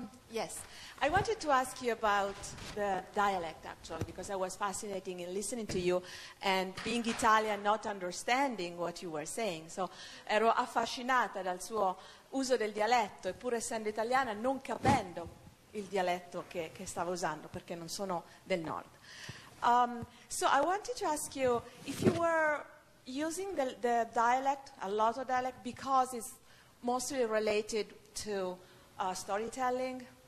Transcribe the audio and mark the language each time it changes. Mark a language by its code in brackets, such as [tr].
[en] Yes, I wanted to ask you about the dialect, actually, because I was fascinated in listening to you and being Italian, not understanding what you were saying. [it] So, ero affascinata dal suo uso del dialetto, eppure essendo italiana, non capendo il dialetto che stavo usando, perché non sono del nord. [en] So, I wanted to ask you if you were using the dialect, a lot of dialect, because it's mostly related to storytelling.